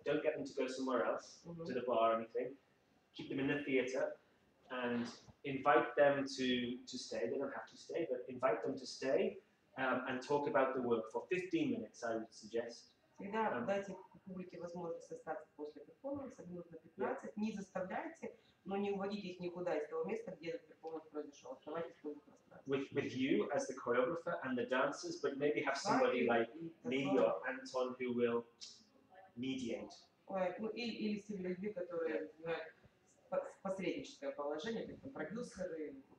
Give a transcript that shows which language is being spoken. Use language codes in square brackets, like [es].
[en] Don't get them to go somewhere else, mm-hmm. to the bar or anything. Keep them in the theater and invite them to stay. They don't have to stay, but invite them to stay and talk about the work for 15 minutes, I would suggest. [ru] Публике возможность остаться после перформанса минут на 15, не заставляйте, но не уводите их никуда из того места, где этот перформанс произошел. Оставайтесь в [en] With you as the choreographer and the dancers, but maybe have somebody like me or Anton who will mediate. [ru] Или с теми людьми, которые в посредническое положение, как продюсеры.